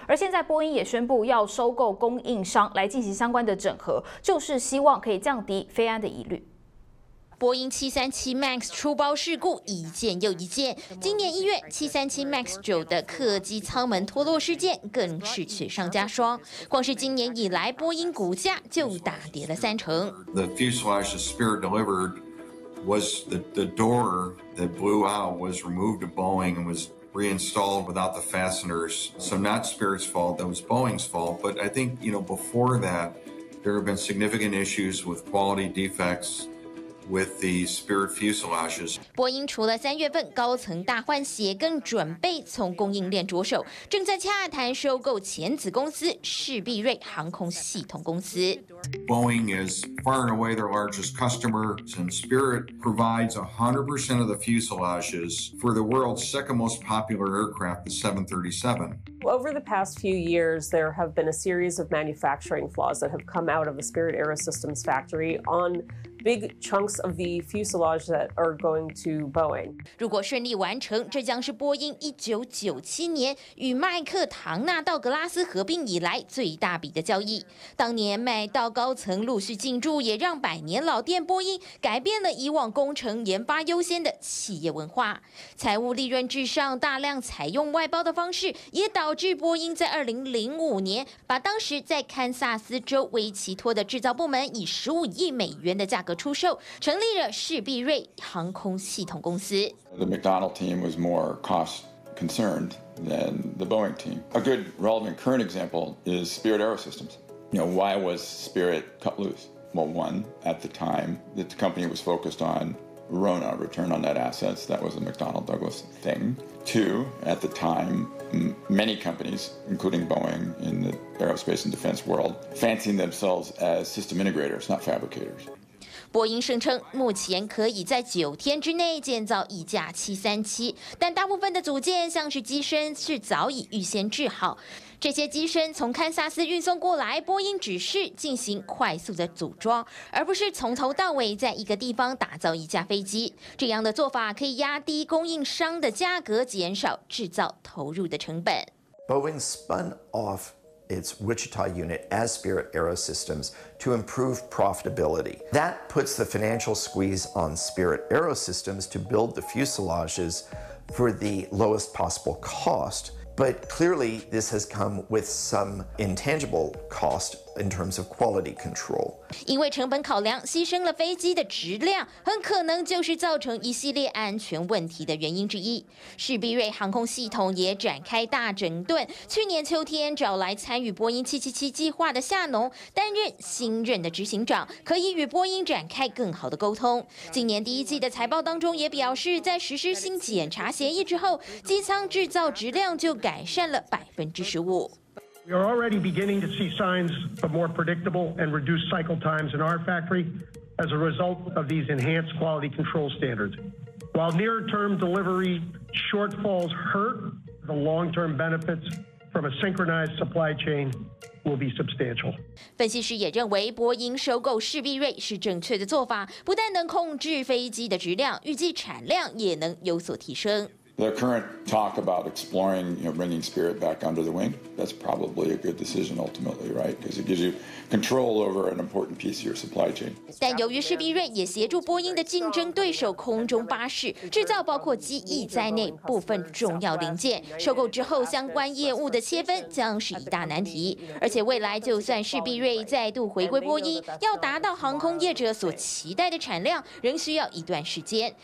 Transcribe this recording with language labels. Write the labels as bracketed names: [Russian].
[Chinese] 而现在波音也宣布要收购供应商来进行相关的整合，就是希望可以降低飞安的疑虑。波音737 MAX 出包事故一件又一件，今年1月737 MAX 9的客机舱门脱落事件更是雪上加霜。光是今年以来，波音股价就大跌了三成。 [English] The fuselage the Spirit delivered was the door that blew out was removed to Boeing and was reinstalled without the fasteners. So not Spirit's fault, that was Boeing's fault. But I think you know before that, there have been significant issues with quality defects. With the Spirit fuselages, [Chinese] 波音除了三月份高层大换血，更准备从供应链着手，正在洽谈收购前子公司士必瑞航空系统公司。 [English] Boeing is far and away their largest customer, and Spirit provides 100% of the fuselages for the world's second most popular aircraft, the 737. Over the past few years, there have been a series of manufacturing flaws that have come out of the Spirit AeroSystems factory on big chunks of the fuselage that are going to Boeing. [Chinese] 如果顺利完成，这将是波音1997年与麦克唐纳道格拉斯合并以来最大笔的交易。当年麦道高层陆续进驻，也让百年老店波音改变了以往工程研发优先的企业文化。财务利润至上，大量采用外包的方式，也导致波音在2005年把当时在堪萨斯州威奇托的制造部门以$150 million的价格出售，成立了士必瑞航空系统公司。 [English] The McDonnell team was more cost concerned than the Boeing team. A good relevant current example is Spirit AeroSystems. You know, why was Spirit cut loose? Well, one, at the time, the company was focused on RONA, return on net assets. That was a McDonnell Douglas thing. Two, at the time,Many companies, including Boeing, in the aerospace and defense world, fancying themselves as system integrators, not fabricators. [Chinese] 波音声称，目前可以在九天之内建造一架737，但大部分的组件，像是机身，是早已预先制好。这些机身从堪萨斯运送过来，波音只是进行快速的组装，而不是从头到尾在一个地方打造一架飞机。这样的做法可以压低供应商的价格，减少制造投入的成本。 [English] Boeing spun off its Wichita unit as Spirit AeroSystems to improve profitability. That puts the financial squeeze on Spirit AeroSystems to build the fuselages for the lowest possible cost. But clearly, this has come with some intangible cost in terms of quality control. [Chinese] 因为成本考量，牺牲了飞机的质量，很可能就是造成一系列安全问题的原因之一。史必瑞航空系统也展开大整顿，去年秋天找来参与波音777计划的夏农担任新任的执行长，可以与波音展开更好的沟通。今年第一季的财报当中也表示，在实施新检查协议之后，机舱制造质量就改善了15%。 [English] We are already beginning to see signs of more predictable and reduced cycle times in our factory as a result of these enhanced quality control standards. While near-term delivery shortfalls hurt, the long-term benefits from a synchronized supply chain will be substantial. [Chinese] 分析师也认为波音收购史必瑞是正确的做法，不但能控制飞机的质量，预计产量也能有所提升。 [English] The current talk about exploring, you know, bringing Spirit back under the wing, that's probably a good decision ultimately, right? Because it gives you control over an important piece of your supply chain. [Chinese] 但由于史必瑞也协助波音的竞争对手空中巴士制造包括机翼在内部分重要零件，收购之后相关业务的切分将是一大难题。而且未来就算史必瑞再度回归波音，要达到航空业者所期待的产量，仍需要一段时间。